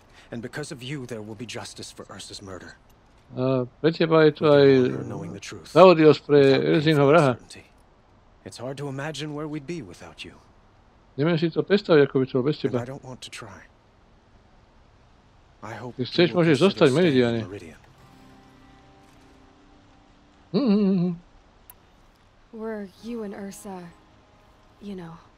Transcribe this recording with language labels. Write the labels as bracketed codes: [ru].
[en] And because of you, there will be justice for Ursa's murder. [sk] Pre teba je to aj spravodlivosť pre Erzinho vraha. [en] It's hard to imagine where we'd be without you. [sk] Neviem si to predstaviť, ako by to bolo bez teba. [en] I don't want to try. I hope you will consider staying in Meridian. Were you and Ursa, you know?